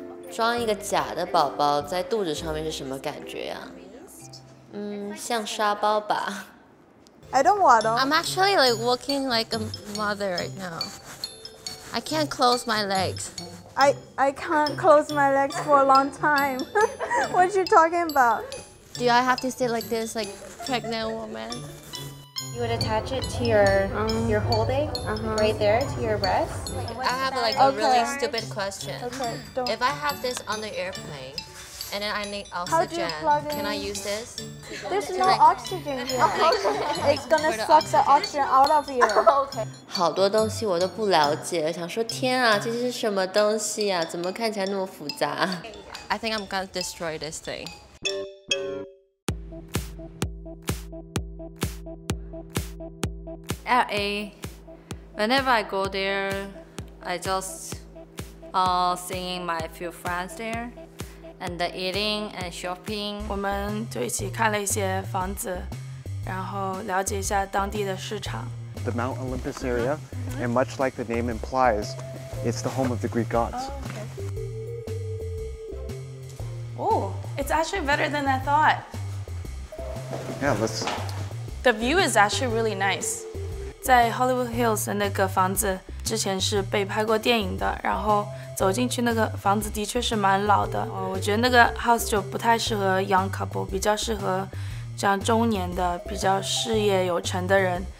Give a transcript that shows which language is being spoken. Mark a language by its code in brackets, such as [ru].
[zh] 装一个假的宝宝在肚子上面是什么感觉呀、啊？嗯，像沙包吧。 [en] I don't want them. I'm actually like walking like a mother right now. I can't close my legs. I can't close my legs for a long time. What are you talking about? Do I have to sit like this, like pregnant woman? You would attach it to your holding, uh-huh. right there to your breast. I have like a really stupid question. Okay, don't. If I have this on the airplane, and then I need oxygen, can I use this? There's no oxygen here. It's gonna suck the oxygen out of you. Okay. [zh] 好多东西我都不了解，想说天啊，这是什么东西啊？怎么看起来那么复杂 [en] ？I think I'm gonna destroy this thing. LA, whenever I go there, I just seeing my few friends there, and the eating and shopping. [zh] 我们就一起看了一些房子，然后了解一下当地的市场。 [en] The Mount Olympus area, mm-hmm. and much like the name implies, it's the home of the Greek gods. Oh, okay. Oh, it's actually better than I thought. Yeah, let's. The view is actually really nice. [zh] 在 Hollywood Hills 的那个房子之前是被拍过电影的，然后走进去那个房子的确是蛮老的，我觉得那个 house 就不太适合 [en] young couple， [zh] 比较适合这样中年的比较事业有成的人。